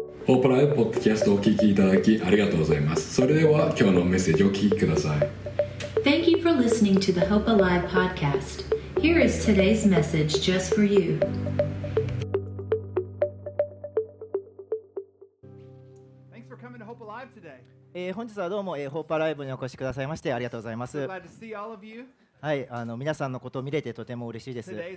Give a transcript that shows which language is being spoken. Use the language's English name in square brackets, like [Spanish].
[Japanese] ホープライブポッドキャストをお聞きいただきありがとうございます。それでは今日のメッセージをお聞きください。 [English] Thank you for listening to the Hope Alive podcast. Here is today's message just for you. Thanks for coming to Hope Alive today. [Japanese] 本日はどうも、ホープライブにお越しくださいましてありがとうございます。 [English] Glad to see all of you. [Japanese] はい、皆さんのことを見れてとても嬉しいです。